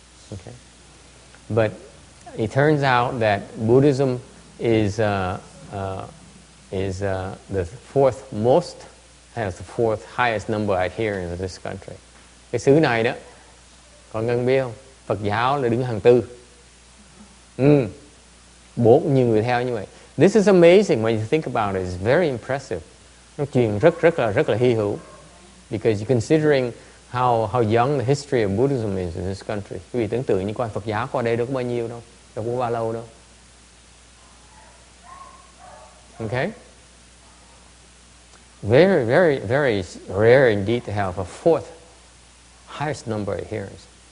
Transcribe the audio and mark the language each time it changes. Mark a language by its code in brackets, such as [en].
[en] Okay. But it turns out that Buddhism is the fourth most, has the fourth highest number of adherents in this country. [vi] Cái xứ này đó, còn ngân biết không? Phật giáo là đứng hàng tư. Bốn nhiều người theo như vậy. [en] This is amazing when you think about it. It's very impressive. [vi] Nó chuyện rất là hy hữu. [en] Because you're considering how young the history of Buddhism is in this country. [vi] Quý vị tưởng tượng như coi Phật giáo qua đây được bao nhiêu đâu. Đâu có bao lâu đâu. [en] Okay? Very, very, very rare indeed to have a fourth highest number of adherents.